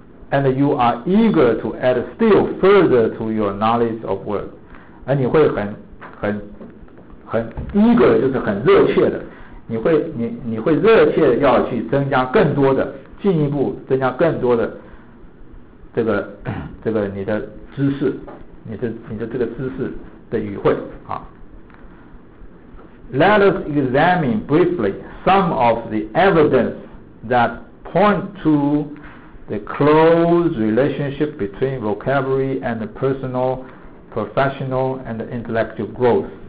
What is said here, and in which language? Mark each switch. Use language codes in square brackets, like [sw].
[en] And you are eager to add still further to your knowledge of words. [zh] 而你会很 eager 就是很热切的，你会热切要去增加更多的，进一步增加更多的这个你的知识，你的这个知识的语汇啊。 [en] Let us examine briefly some of the evidence that point to the close relationship between vocabulary and personal, professional, and intellectual growth.